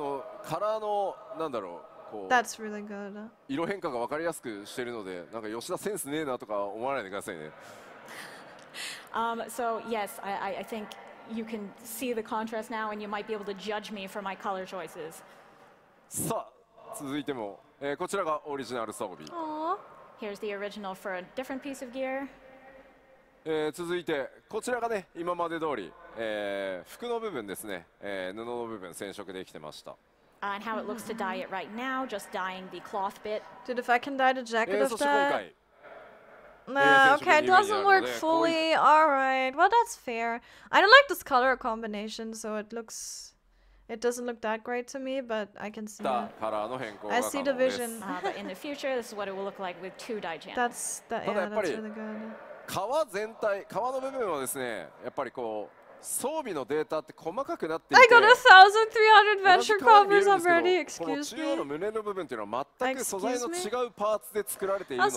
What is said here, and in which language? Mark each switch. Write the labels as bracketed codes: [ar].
[ja] まあ、これはあのカラーのなんだろう、こう [en] That's really good. [ja] 色変化が分かりやすくしてるので、なんか吉田センスねえなとか思わないでくださいね。 [en] So yes, I think you can see the contrast now, and you might be able to judge me for my color choices. [ja] さあ、続いても、こちらがオリジナル装備。 [en] Here's the original for a different piece of gear. [ja] 続いて、こちらがね、今まで通り、服の部分ですね、布の部分染色できてました。 [en] And how it looks to dye it right now, just dyeing the cloth bit. Dude, if I can dye the jacket of that... Nah, okay, it doesn't work fully. Alright, well, that's fair. I don't like this color combination, so it looks... It doesn't look that great to me, but I can see it. I see the vision. But in the future, this is what it will look like with two dye channels. That's, that, yeah, that's really good. [ja] 革全体、革の部分はですね、やっぱりこう装備のデータって細かくなっていて。 [en] I got 1,300 venture covers already. Excuse me. [ja] この中央の胸の部分っていうのは全く素材の違うパーツで作られているので。